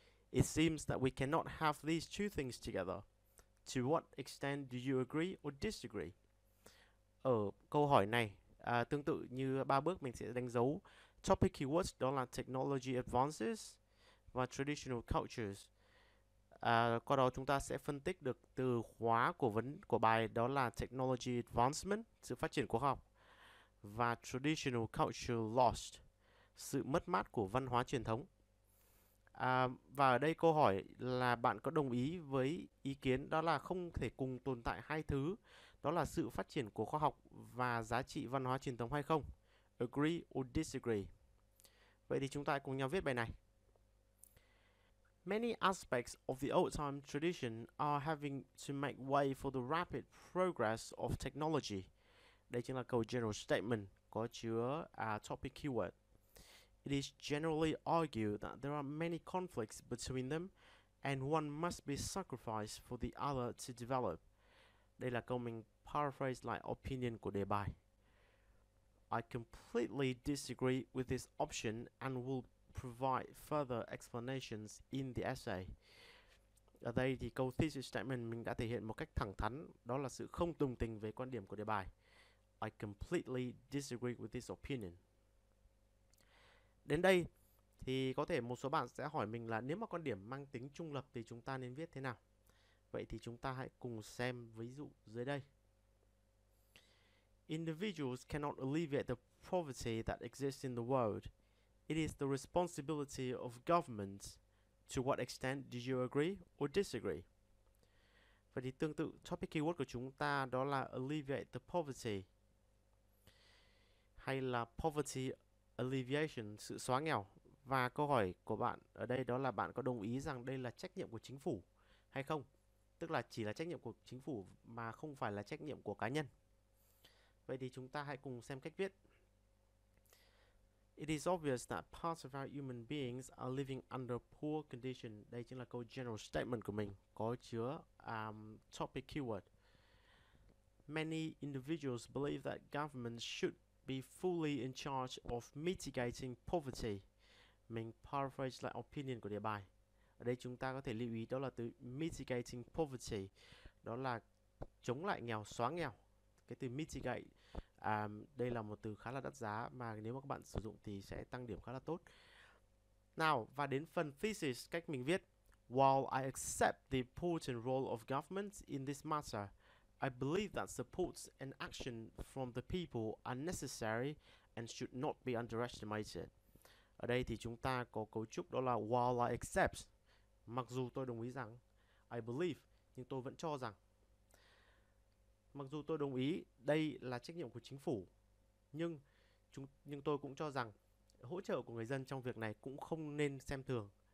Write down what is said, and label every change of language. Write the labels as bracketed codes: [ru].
[en] It seems that we cannot have these two things together. To what extent do you agree or disagree? [vi] Ở câu hỏi này, tương tự như ba bước, mình sẽ đánh dấu topic keywords, đó là technology advances và traditional cultures. Qua đó chúng ta sẽ phân tích được từ khóa của bài, đó là technology advancement, sự phát triển của khoa học, và traditional culture lost, sự mất mát của văn hóa truyền thống. Và ở đây câu hỏi là bạn có đồng ý với ý kiến đó là không thể cùng tồn tại hai thứ, đó là sự phát triển của khoa học và giá trị văn hóa truyền thống hay không? [en] Agree or disagree? [vi] Vậy thì chúng ta cùng nhau viết bài này. [en] Many aspects of the old-time tradition are having to make way for the rapid progress of technology. [vi] Đây chính là câu general statement có chứa topic keyword. [en] It is generally argued that there are many conflicts between them and one must be sacrificed for the other to develop. [vi] Đây là câu mình paraphrase lại opinion của đề bài. [en] I completely disagree with this option and will provide further explanations in the essay. [vi] Ở đây thì câu thesis statement mình đã thể hiện một cách thẳng thắn, đó là sự không đồng tình về quan điểm của đề bài. [en] I completely disagree with this opinion. [vi] Đến đây thì có thể một số bạn sẽ hỏi mình là nếu mà quan điểm mang tính trung lập thì chúng ta nên viết thế nào? Vậy thì chúng ta hãy cùng xem ví dụ dưới đây. [en] Individuals cannot alleviate the poverty that exists in the world. It is the responsibility of governments. To what extent do you agree or disagree? [vi] Vậy thì tương tự, topic keyword của chúng ta đó là alleviate the poverty, hay là poverty alleviation, sự xóa nghèo. Và câu hỏi của bạn ở đây đó là bạn có đồng ý rằng đây là trách nhiệm của chính phủ hay không? Tức là chỉ là trách nhiệm của chính phủ mà không phải là trách nhiệm của cá nhân. Vậy thì chúng ta hãy cùng xem cách viết. [en] It is obvious that parts of our human beings are living under poor condition. [vi] Đây chính là câu general statement của mình, có chứa topic keyword. [en] Many individuals believe that governments should be fully in charge of mitigating poverty. [vi] Mình paraphrase lại opinion của đề bài. Ở đây chúng ta có thể lưu ý đó là từ mitigating poverty, đó là chống lại nghèo, xóa nghèo. Cái từ mitigate, đây là một từ khá là đắt giá mà nếu mà các bạn sử dụng thì sẽ tăng điểm khá là tốt. Nào, và đến phần thesis, cách mình viết. [en] While I accept the important role of government in this matter, I believe that supports and action from the people are necessary and should not be underestimated. [vi] Ở đây thì chúng ta có cấu trúc đó là [en] while I accept, [vi] mặc dù tôi đồng ý rằng, [en] I believe, [vi] nhưng tôi vẫn cho rằng. Mặc dù tôi đồng ý đây là trách nhiệm của chính phủ, nhưng tôi cũng cho rằng hỗ trợ của người dân trong việc này cũng không nên xem thường.